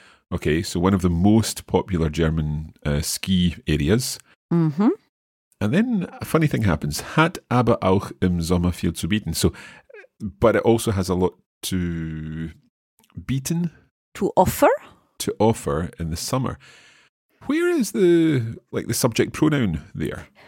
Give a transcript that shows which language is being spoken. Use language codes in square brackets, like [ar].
[en] Okay, so one of the most popular German ski areas. Mhm. And then a funny thing happens. [de] Hat aber auch im Sommer viel zu bieten. [en] So, but it also has a lot to... Beaten? To offer in the summer. Where is the like the subject pronoun there?